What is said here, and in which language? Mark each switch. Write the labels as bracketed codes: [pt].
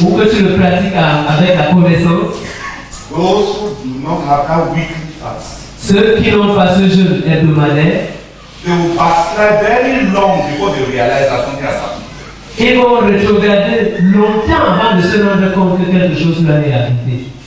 [fr] ou que tu le pratiques avec la connaissance, [en] those who do not have that weekly fast, [fr] Ceux qui n'ont pas ce jeûne hebdomadaire, [en] they will pass very long before they realize that something has happened. [fr] Ils vont retrograder longtemps avant de se rendre compte que quelque chose leur est arrivé.